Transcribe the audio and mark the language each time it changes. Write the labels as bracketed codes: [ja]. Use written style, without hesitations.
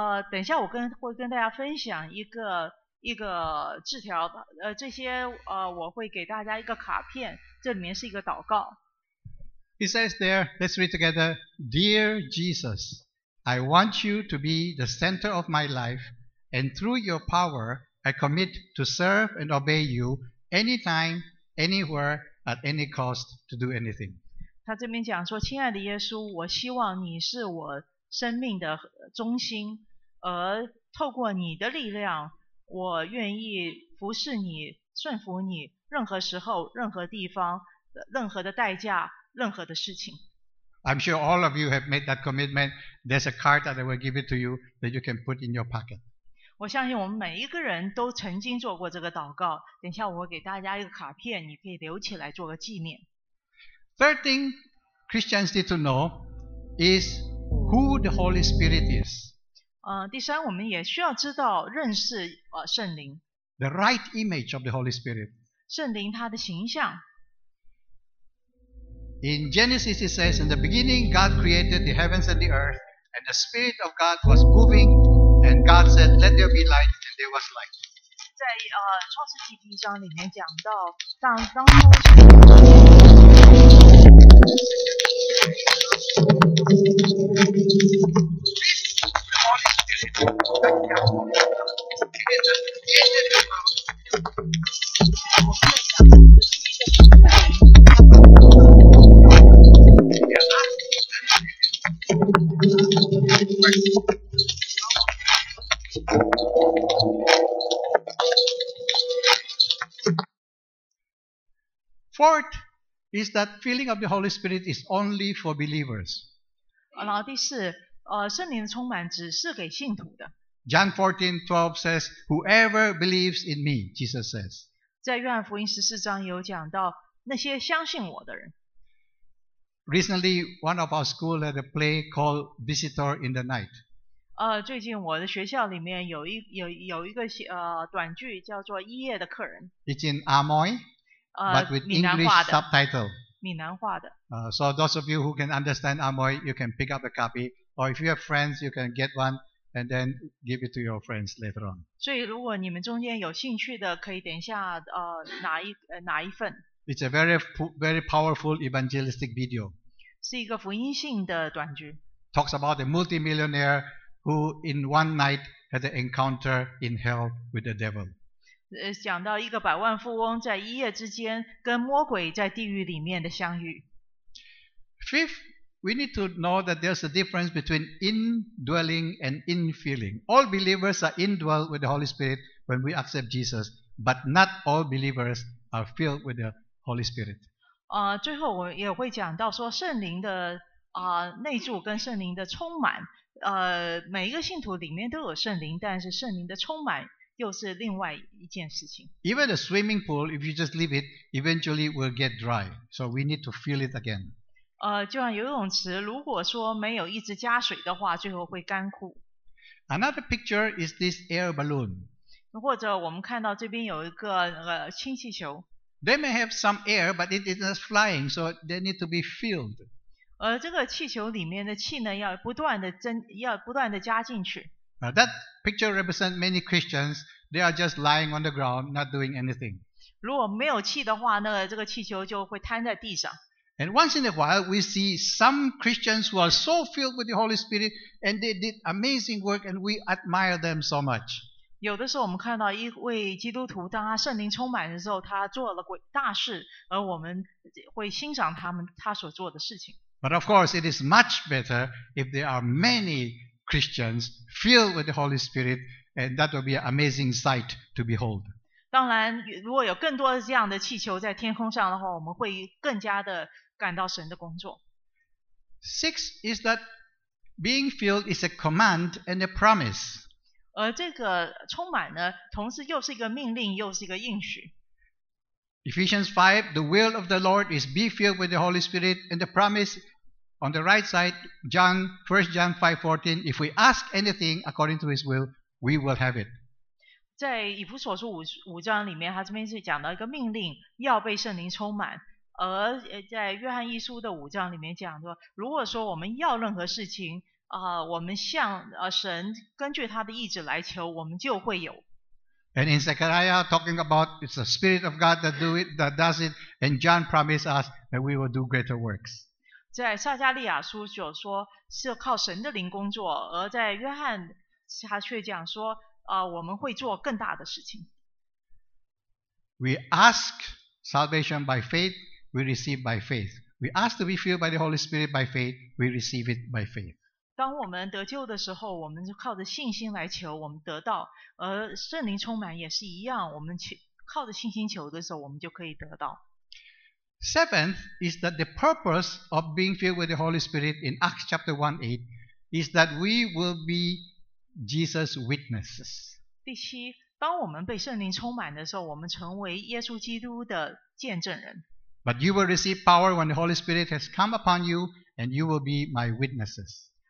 [zh] 等一下我跟会跟大家分享一个字条，这些我会给大家一个卡片，这里面是一个祷告。 [en] He says there, let's read together. Dear Jesus, I want you to be the center of my life, and through your power, I commit to serve and obey you anytime, anywhere, at any cost to do anything. [zh] 他这边讲说，亲爱的耶稣，我希望你是我生命的中心，而透过你的力量。我愿意服侍你，顺服你，任何时候，任何地方，任何的代价，任何的事情。 [en] I'm sure all of you have made that commitment. There's a card that I will give it to you that you can put in your pocket. [zh] 我相信我们每一个人都曾经做过这个祷告。等一下我给大家一个卡片，你可以留起来做个纪念。 [en] Third thing Christians need to know is who the Holy Spirit is. [zh] 第三，我们也需要知道认识圣灵。 [en] The right image of the Holy Spirit. [zh] 圣灵他的形象。 [en] In Genesis it says, in the beginning God created the heavens and the earth, and the Spirit of God was moving, and God said, let there be light, and there was light. [zh] 在创世纪第一章里面讲到，当初神。 [en] Fourth is that filling of the Holy Spirit is only for believers. [zh] 然后第四。圣灵的充满只是给信徒的。 [en] John 14:12 says, "Whoever believes in me," Jesus says. [zh] 在约翰福音十四章有讲到那些相信我的人。 [en] Recently, one of our school had a play called "Visitor in the Night." [zh] 最近我的学校里面有一个短剧叫做《一夜的客人》。 [en] It's in Amoy, but with English subtitle. [zh] 闽南话的。 [en] So those of you who can understand Amoy, you can pick up a copy. Or if you have friends, you can get one and then give it to your friends later on. [zh] 所以如果你们中间有兴趣的，可以等一下拿一份。 [en] It's a very very powerful evangelistic video. [zh] 是一个福音性的短剧。 [en] Talks about a multimillionaire who in one night had an encounter in hell with the devil. [zh] 讲到一个百万富翁在一夜之间跟魔鬼在地狱里面的相遇。 [en] Fifth. We need to know that there's a difference between indwelling and infilling. All believers are indwelled with the Holy Spirit when we accept Jesus, but not all believers are filled with the Holy Spirit. [zh] 最后我也会讲到说圣灵的内住跟圣灵的充满，每一个信徒里面都有圣灵，但是圣灵的充满又是另外一件事情。 [en] Even a swimming pool, if you just leave it, eventually will get dry. So we need to fill it again. [zh] 就像游泳池，如果说没有一直加水的话，最后会干枯。 [en] Another picture is this air balloon. [zh] 或者我们看到这边有一个氢气球。 [en] They may have some air, but it is not flying, so they need to be filled. [zh] 这个气球里面的气呢，要不断的加进去。 [en] That picture represents many Christians. They are just lying on the ground, not doing anything. [zh] 如果没有气的话，那个这个气球就会摊在地上。 [en] And once in a while, we see some Christians who are so filled with the Holy Spirit, and they did amazing work, and we admire them so much. [zh] 有的时候我们看到一位基督徒，当他圣灵充满的时候，他做了大事，而我们会欣赏他们他所做的事情。 [en] But of course, it is much better if there are many Christians filled with the Holy Spirit, and that will be an amazing sight to behold. [zh] 当然，如果有更多这样的气球在天空上的话，我们会更加的感到神的工作。 [en] Six is that being filled is a command and a promise. [zh] 而这个充满呢，同时又是一个命令，又是一个应许。 [en] Ephesians 5, the will of the Lord is be filled with the Holy Spirit, and the promise on the right side, John, 1 John 5:14, if we ask anything according to His will, we will have it. [zh] 在以弗所书 5章里面，他这边是讲到一个命令，要被圣灵充满，而在约翰一书的五章里面讲说，如果说我们要任何事情，我们向神根据他的意志来求，我们就会有。 [en] And in Zechariah, talking about it's the Spirit of God that do it, that does it, and John promised us that we will do greater works. [zh] 在撒加利亚书就说是靠神的灵工作，而在约翰他却讲说，我们会做更大的事情。 [en] We ask salvation by faith, we receive by faith. We ask to be filled by the Holy Spirit by faith, we receive it by faith. [zh] 当我们得救的时候，我们就靠着信心来求，我们得到；而圣灵充满也是一样，我们靠着信心求的时候，我们就可以得到。 [en] Seventh is that the purpose of being filled with the Holy Spirit in Acts chapter 1:8 is that we will be Jesus' witnesses. [zh] 第七，当我们被圣灵充满的时候，我们成为耶稣基督的见证人。 [en] But you will receive power when the Holy Spirit has come upon you, and you will be my witnesses.